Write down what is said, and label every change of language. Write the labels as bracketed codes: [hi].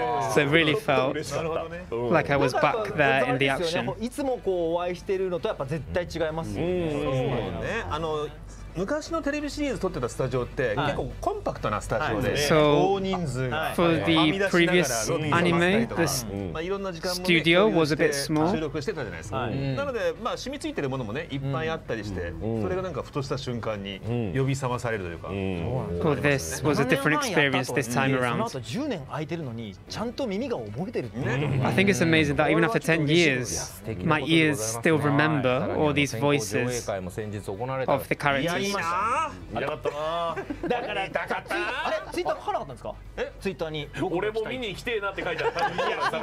[en] So it really felt like I was back there in the action. [ja] いつもこうお会いしているのとやっぱ絶対違いますね。あの昔のテレビシリーズ撮ってたスタジオって結構コンパクトなスタジオで、大人数。 [en] For the previous anime, the studio was a bit small. [ja] 収録してたじゃないですか。なので、まあ染み付いてるものもね、いっぱいあったりして、それがなんかふとした瞬間に呼び覚まされるというか。 [en] So this was a different experience this time around. [ja] その後10年空いてるのに、ちゃんと耳が覚えてる。 [en] I think it's amazing that even after 10 years, my ears still remember all these voices of the characters. [ja] いやいなぁ。だから痛かった。あれツイッター書かなかったんですか？えツイッターに俺も見に来てなって書いてあった。